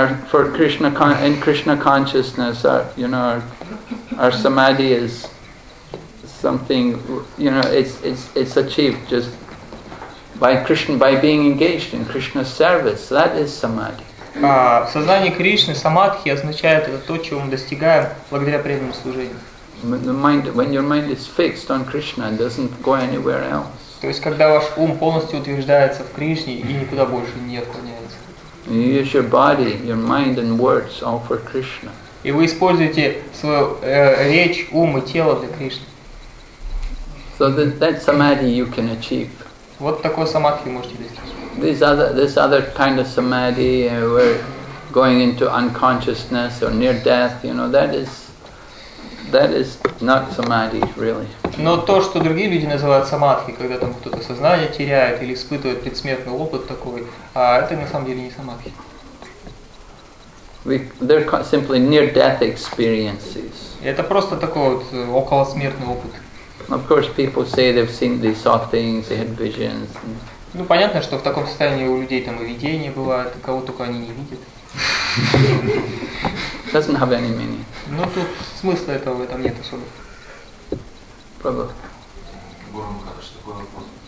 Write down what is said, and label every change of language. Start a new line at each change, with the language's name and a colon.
English: For Krishna in Krishna consciousness, our samadhi is something, you know, it's achieved just by Krishna, by being engaged in Krishna's service. That is samadhi.
Russian: В сознании Кришны самадхи означает это то, чего мы достигаем благодаря преданному служению. То есть, когда ваш ум полностью утверждается в Кришне и никуда больше не отклоняется. И вы используете свою речь, ум и тело для Кришны.
English: So that samadhi you can achieve.
Russian: Вот такой самадхи можете достичь.
English: This other kind of samadhi, where going into unconsciousness or near death, you know, that is not samadhi really.
Russian: Но то, что другие люди называют самадхи, когда там кто-то сознание теряет или испытывает предсмертный опыт такой, это на самом деле не самадхи.
English: They're simply near death experiences.
Russian: Это просто такой вот околосмертный опыт.
English: Of course, people say they've seen, they saw things, they had visions.
Russian: Ну, понятно, что в таком состоянии у людей там и видения бывают, кого только они не видят.
English: Doesn't have any meaning.
Russian: Ну, тут смысла этого в этом нет особо. Правда. Гуру Махараш, такой вопрос.